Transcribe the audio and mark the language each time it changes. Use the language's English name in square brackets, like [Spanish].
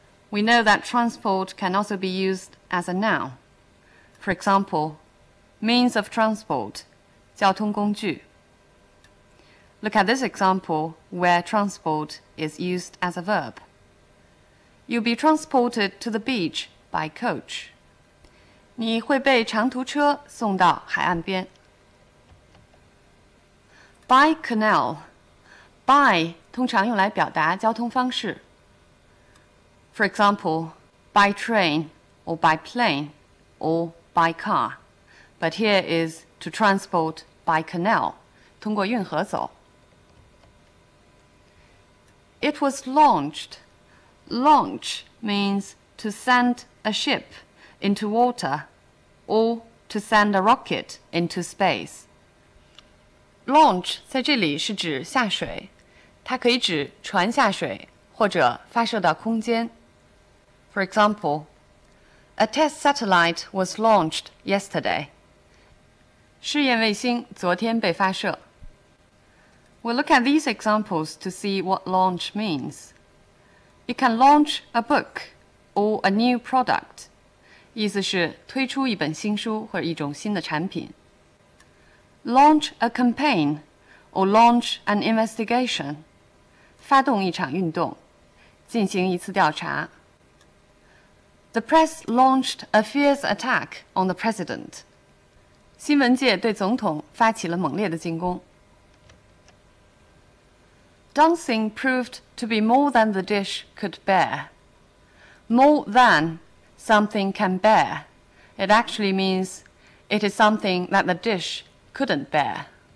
[English] We know that transport can also be used as a noun. For example, means of transport, [Chinese] 交通工具. [English] Look at this example where transport is used as a verb. You'll be transported to the beach by coach. [Chinese] 你会被长途车送到海岸边。 [English] By canal, by [Chinese] 通常用来表达交通方式。 [English] For example, by train, or by plane, or by car. But here is to transport by canal, [Chinese] 通过运河走。 [English] It was launched. Launch means to send a ship into water, or to send a rocket into space. Launch [Chinese] 在这里是指下水，它可以指船下水或者发射到空间。 [English] For example, a test satellite was launched yesterday. [Chinese] 试验卫星昨天被发射。 [English] We'll look at these examples to see what launch means. You can launch a book or a new product. [Chinese] 意思是推出一本新书或一种新的产品。 [English] Launch a campaign or launch an investigation. [Chinese] 发动一场运动，进行一次调查。 [English] The press launched a fierce attack on the president. [Chinese] 新闻界对总统发起了猛烈的进攻。 [English] Dancing proved to be more than the dish could bear. More than something can bear. It actually means it is something that the dish couldn't bear.